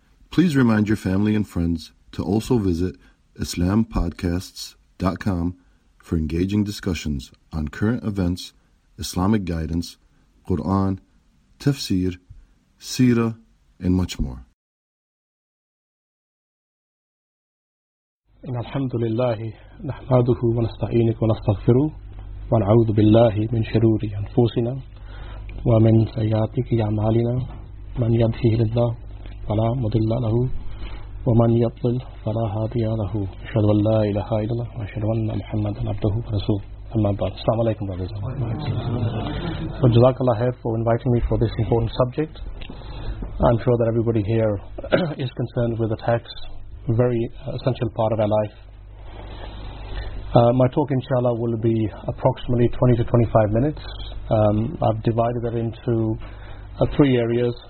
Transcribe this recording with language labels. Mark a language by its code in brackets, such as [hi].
[en] Please remind your family and friends to also visit IslamPodcasts.com for engaging discussions on current events, Islamic guidance, Quran, tafsir, seerah, and much more. [ar] إن الحمد لله نحمده ونستعينه ونستغفره ونعوذ بالله من شرور أنفسنا ومن سيئات أعمالنا من يهده الله فلا مضل له ومن يضلل فلا هادي له أشهد أن لا إله إلا الله وأشهد أن محمدا عبده ورسوله أما بعد السلام عليكم [en] brothers and sisters. So [ar] جزاك الله خير [en] for inviting me for this important subject. I'm sure that everybody here is concerned with attacks. Very essential part of our life. My talk, inshallah, will be approximately 20 to 25 minutes. I've divided it into three areas.